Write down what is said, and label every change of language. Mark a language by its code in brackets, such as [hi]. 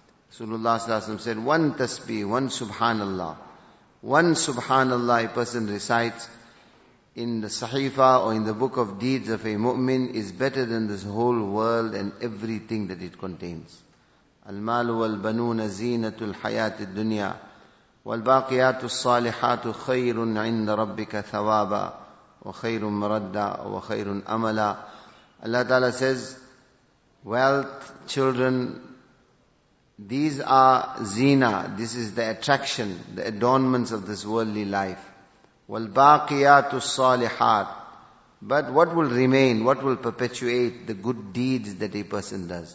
[en] Rasulullah sallallahu alaihi wasallam said, one tasbih, one subhanallah. One subhanallah a person recites in the sahifa or in the book of deeds of a mu'min is better than this whole world and everything that it contains. [ar] Al-malu wal-banuna zinatul hayatid dunya. والباقيات الصالحات خير عند ربك ثوابا وخير مردا وخير املا. [en] Allah Ta'ala says, wealth, children, these are zina, this is the attraction, the adornments of this worldly life. [ar] والباقيات الصالحات, [en] but what will remain, what will perpetuate the good deeds that a person does?